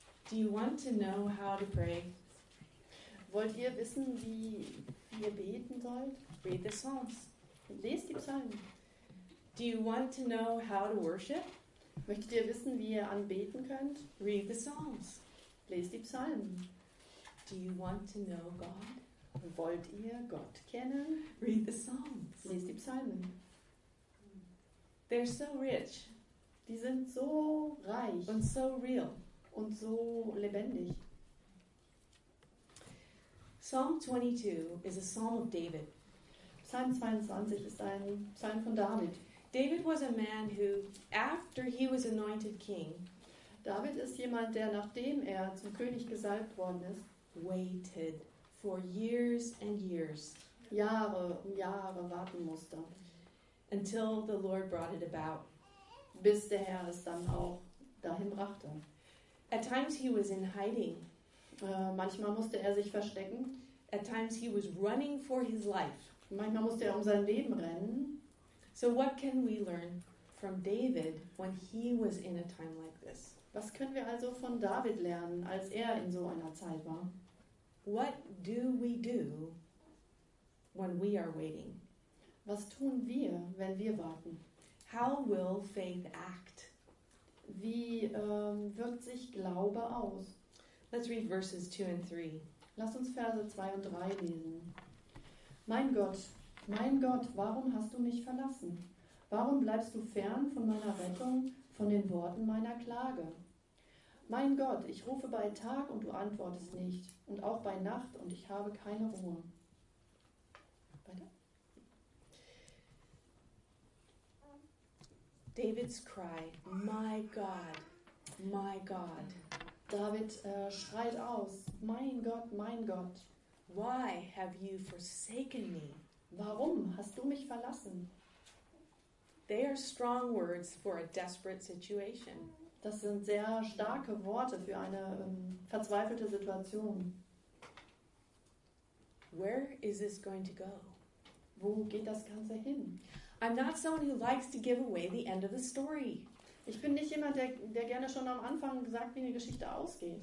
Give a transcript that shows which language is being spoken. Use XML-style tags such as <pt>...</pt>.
<en>Do you want to know how to pray?</en> <de>Wollt ihr wissen, wie ihr beten sollt?</de> <en>Read the Psalms.</en> <de>Lest die Psalmen.</de> <en>Do you want to know how to worship?</en> <de>Möchtet ihr wissen, wie ihr anbeten könnt?</de> <en>Read the Psalms.</en> <de>Lest die Psalmen.</de> <en>Do you want to know God?</en> <de>Wollt ihr Gott kennen?</de> <en>Read the Psalms.</en> <de>Lest die Psalmen.</de> <en>They're so rich.</en> <de>Die sind so reich. Und so real. Und so lebendig.</de> <en>Psalm 22 is a psalm of David.</en> <de>Psalm 22 ist ein Psalm von David.</de> <en>David was a man who, after he was anointed king,</en> <de>David ist jemand, der nachdem er zum König gesalbt worden ist,</de> <en>waited for years and years,</en> <de>Jahre um Jahre warten musste,</de> <en>until the Lord brought it about,</en> <de>bis der Herr es dann auch dahin brachte.</de> <en>At times he was in hiding.</en> <de>Manchmal musste er sich verstecken.</de> <en>At times he was running for his life.</en> <de>Manchmal musste er um sein Leben rennen.</de> <en>So what can we learn from David when he was in a time like this?</en> <de>Was können wir also von David lernen, als er in so einer Zeit war?</de> <en>What do we do when we are waiting?</en> <de>Was tun wir, wenn wir warten?</de> <en>How will faith act?</en> <de>Wie wirkt sich Glaube aus?</de> <en>Let's read verses 2 and 3.</en> <de>Lass uns Verse 2 und 3 lesen. Mein Gott, warum hast du mich verlassen? Warum bleibst du fern von meiner Rettung, von den Worten meiner Klage? Mein Gott, ich rufe bei Tag und du antwortest nicht, und auch bei Nacht und ich habe keine Ruhe. Weiter.</de> <en>David's cry, my God, my God.</en> <de>David schreit aus, mein Gott,</de> <en>why have you forsaken me?</en> <de>Warum hast du mich verlassen?</de> <en>They are strong words for a desperate situation.</en> <de>Das sind sehr starke Worte für eine verzweifelte Situation.</de> <en>Where is this going to go?</en> <de>Wo geht das Ganze hin?</de> <en>I'm not someone who likes to give away the end of the story.</en> <de>Ich bin nicht jemand, der gerne schon am Anfang sagt, wie eine Geschichte ausgeht.</de>